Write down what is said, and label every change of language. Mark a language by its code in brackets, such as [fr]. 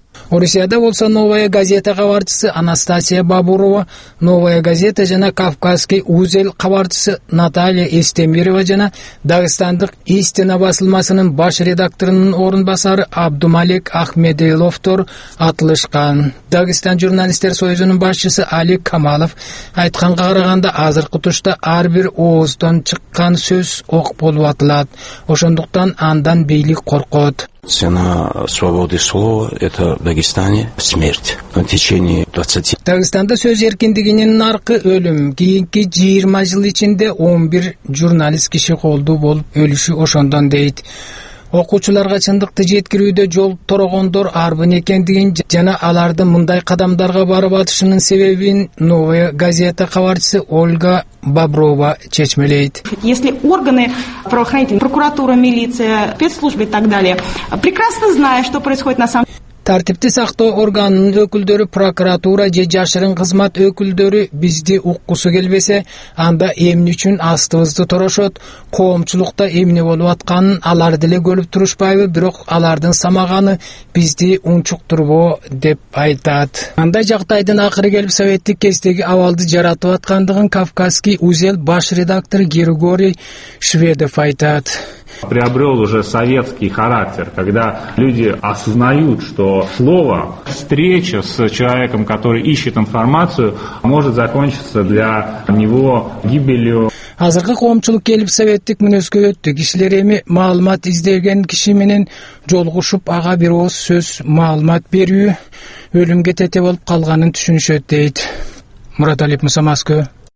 [ky] Орусияда болса Новая газета кабарчысы Анастасия Бабурова, Новая газета жана Кавказский узел кабарчысы Наталья Истемирова жана Дагыстандык Истина басылмасынын баш редакторунун орун басары Абдумалик Ахмедиловтор атылышкан. Дагыстан журналисттер союзунун башчысы Али Камалов айтканга караганда азыркы тушта ар бир ооздон чыккан сөз ок болуп атылат. Ошондуктан андан бийлик коркот. [ru] Цена свободы слова – это в Дагестане смерть на течение 20 лет. [ky] Дагестанда сөз эркиндигинин наркы өлүм. Кийинки 20 жыл ичинде 11 журналист киши колду болуп өлүшү ошондон дейт. Окуучуларга чындыкты жеткирүүдө жол торогондор арбын экендигин жана алардын мындай кадамдарга барып атышынын себебин Новая газета кабарчысы Ольга Боброва чечмелейт. [ru] Если органы правоохранительные, прокуратура, милиция, спецслужбы и так далее, прекрасно зная, что происходит на самом деле. [ky] Тартипти сактоо органынын өкүлдөрү, прокуратура же жашырын кызмат өкүлдөрү бизди уккусу келбесе, анда эмне үчүн астыбызды торошот? Коомчулукта эмне болуп атканын алар деле көрүп турушпайбы, бирок алардын самаганы бизди унчуктурбо деп айтат. Андай жагдайдын акыры келип советтик кездеги абалды жаратып аткандыгын Кавказский узел баш редактору Григорий Шведов айтат. [ru] Приобрел уже советский характер, когда люди осознают, что слово, встреча с человеком, который ищет информацию, может закончиться для него гибелью. [ky] Азыркы коомчулук келип советтик мүнөзгө өттү. Кишилер эми маалымат издеген киши менен жолугушуп, ага бир ооз сөз маалымат берүү өлүмгө тете болуп калганын түшүнүшөт дейт. Мурат Алип Мусамаскы.